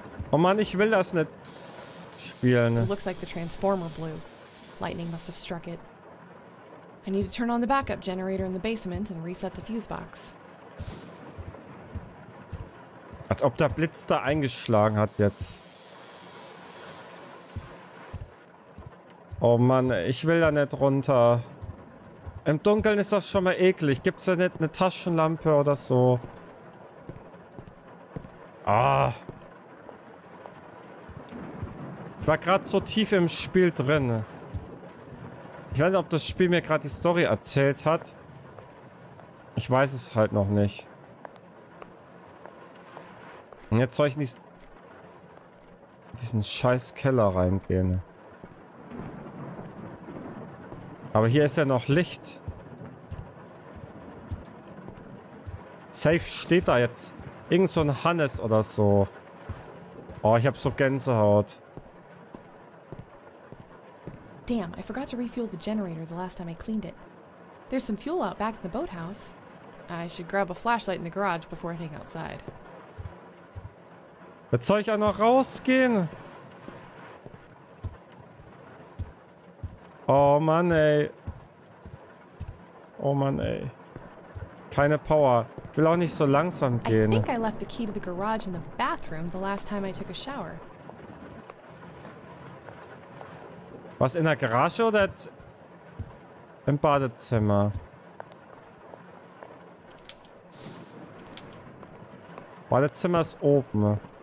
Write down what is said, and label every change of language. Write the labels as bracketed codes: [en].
[de] Oh Mann, ich will das nicht spielen. [en] It looks like the transformer blew. Lightning must have struck it. I need to turn on the backup generator in the basement and reset the fuse box. [de] Als ob der Blitz da eingeschlagen hat jetzt. Oh Mann, ich will da nicht runter. Im Dunkeln ist das schon mal eklig. Gibt's da nicht eine Taschenlampe oder so? Ah. Ich war gerade so tief im Spiel drin. Ich weiß nicht, ob das Spiel mir gerade die Story erzählt hat. Ich weiß es halt noch nicht. Und jetzt soll ich nicht in diesen scheiß Keller reingehen. Aber hier ist ja noch Licht. Safe steht da jetzt irgend so ein Hannes oder so. Oh, ich hab so Gänsehaut. [en] Damn, I forgot to refuel the generator the last time I cleaned it. There's some fuel out back in the boathouse. I should grab a flashlight in the garage before heading outside. [de] Jetzt soll ich auch noch rausgehen? Oh Mann, ey. Oh Mann, ey. Keine Power. Ich will auch nicht so langsam gehen. [en] I think I left the key to the garage in the bathroom the last time I took a shower. [de] Was, in der Garage oder jetzt im Badezimmer? Badezimmer ist oben.